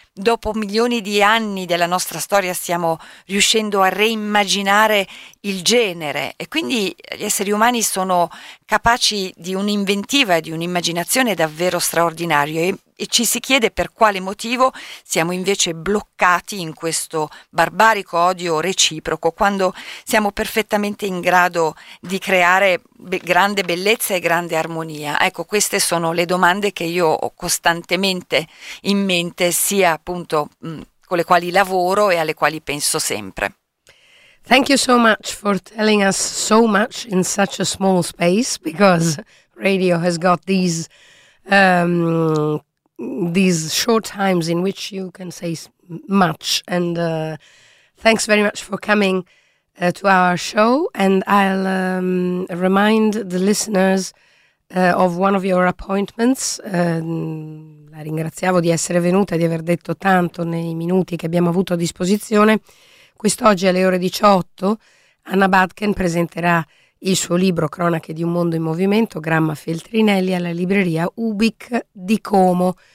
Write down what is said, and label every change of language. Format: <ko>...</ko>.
<it>Dopo milioni di anni della nostra storia stiamo riuscendo a reimmaginare il genere, e quindi gli esseri umani sono capaci di un'inventiva e di un'immaginazione davvero straordinario, e ci si chiede per quale motivo siamo invece bloccati in questo barbarico odio reciproco, quando siamo perfettamente in grado di creare grande bellezza e grande armonia. Ecco, queste sono le domande che io ho costantemente in mente, sia appunto con le quali lavoro e alle quali penso sempre.</it> <en>Thank you so much for telling us so much in such a small space, because radio has got these short times in which you can say much. And thanks very much for coming to our show. And I'll remind the listeners of one of your appointments.</en> <it>La ringraziamo di essere venuta, di aver detto tanto nei minuti che abbiamo avuto a disposizione. Quest'oggi alle ore 18 Anna Badken presenterà il suo libro Cronache di un mondo in movimento, Gramma Feltrinelli, alla libreria Ubic di Como.</it>